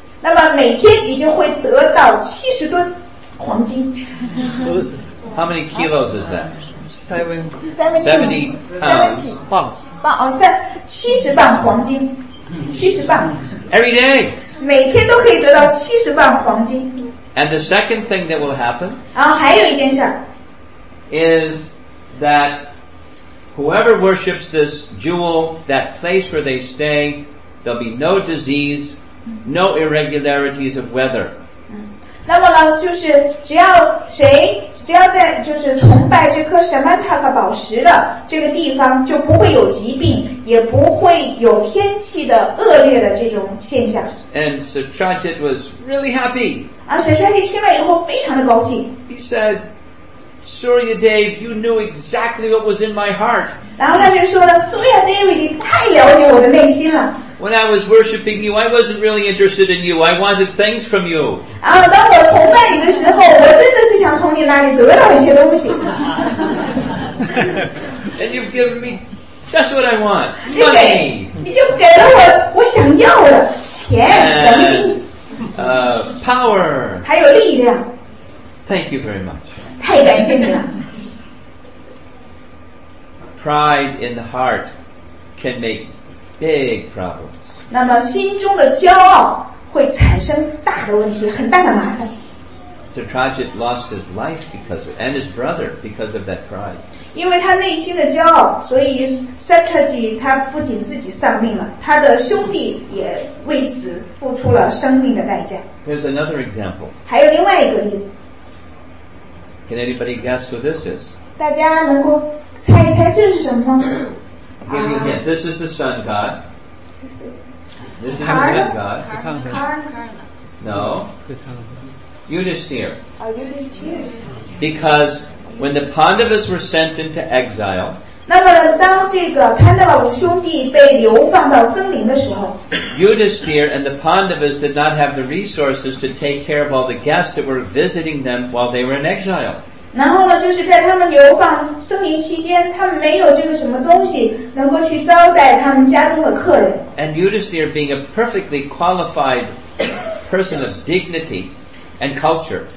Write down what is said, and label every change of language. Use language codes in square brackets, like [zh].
[zh] 那么每天你就会得到70吨黄金。 [en] How many kilos is that? 70 pounds. [zh] 70磅黄金。70磅。 [en] Every day. [zh] 每天都可以得到70磅黄金。 [en] And the second thing that will happen. [zh] 然后还有一件事。 [en] Is that whoever worships this jewel, that place where they stay, there'll be no disease, no irregularities of weather. [zh] 就是只要谁只要在就是崇拜这颗什么塔克宝石的这个地方，就不会有疾病，也不会有天气的恶劣的这种现象。 [en] And Sir Trajit was really happy. [zh] 而Sir Trajit听了以后非常的高兴。 [en] He said, "Surya Dev, you knew exactly what was in my heart." [zh] 然后他就说了 ，Surya Dev， 你太了解我的内心了。 [en] When I was worshiping you, I wasn't really interested in you. I wanted things from you. [zh] 啊，当我崇拜你的时候，我真的是想从你那里得到一些东西。 [en] And you've given me just what I want, money. [zh] 你就给了我我想要的钱、能力。 [en] Power. [zh] 还有力量。 [en] Thank you very much. [zh] 太感谢你了。 [en] Pride in the heart can make. Big problems. [zh] 那么心中的骄傲会产生大的问题，很大的麻烦。 [en] Sir Trajit lost his life because of, and his brother because of that pride. [zh] 因为他内心的骄傲，所以 Sir Trajit 他不仅自己丧命了，他的兄弟也为此付出了生命的代价。 [en] Here's another example. [zh] 还有另外一个例子。 [en] Can anybody guess who this is? [zh] 大家能够猜一猜这是什么吗？ [en] Give you a hint. This is the sun god. This is the wind god. No. Yudhisthira. Because when the Pandavas were sent into exile, [zh] 那么当这个潘多拉五兄弟被流放到森林的时候， [en] Yudhisthira and the Pandavas did not have the resources to take care of all the guests that were visiting them while they were in exile. [zh] 然后呢，就是在他们流放森林期间，他们没有这个什么东西能够去招待他们家中的客人。 [en] And Yudhisthira, being a perfectly qualified person of dignity and culture,